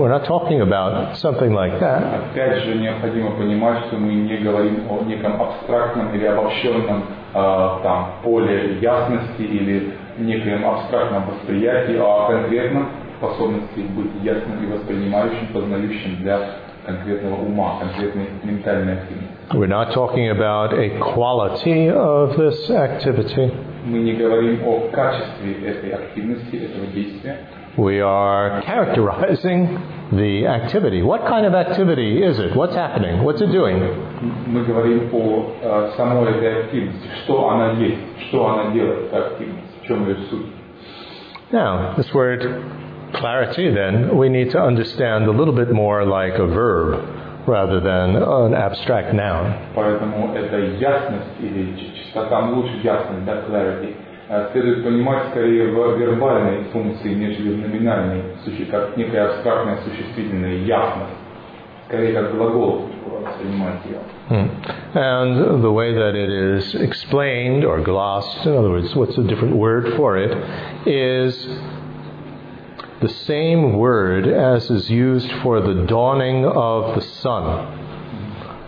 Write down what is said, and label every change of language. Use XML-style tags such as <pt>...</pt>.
<en>We're not talking about something like that.</en> <ru>Опять же, необходимо понимать, что мы не говорим о неком абстрактном или обобщенном там поле ясности или неком абстрактном восприятии, а о конкретном способности быть ясным и воспринимающим, познающим для конкретного ума, конкретной ментальной активности.</ru> <en>We're not talking about a quality of this activity.</en> <ru>Мы не говорим о качестве этой активности, этого действия.</ru> <en>We are characterizing the activity. What kind of activity is it? What's happening? What's it doing?</en> <ru>Мы говорим о самой этой активности. Что она есть? Что она делает, эта активность? В чем ее суть?</ru> <en>Now, this word clarity, then, we need to understand a little bit more like a verb rather than an abstract noun.</en> <ru>Поэтому это ясность или чистота, лучше ясность, да, clarity. Следует понимать скорее в вербальной функции, нежели в номинальной, как некое абстрактное существительное, ясность. Скорее как глагол воспринимать ее. And the way that it is explained or glossed, in other words, what's a different word for it, is the same word as is used for the dawning of the sun.</ru>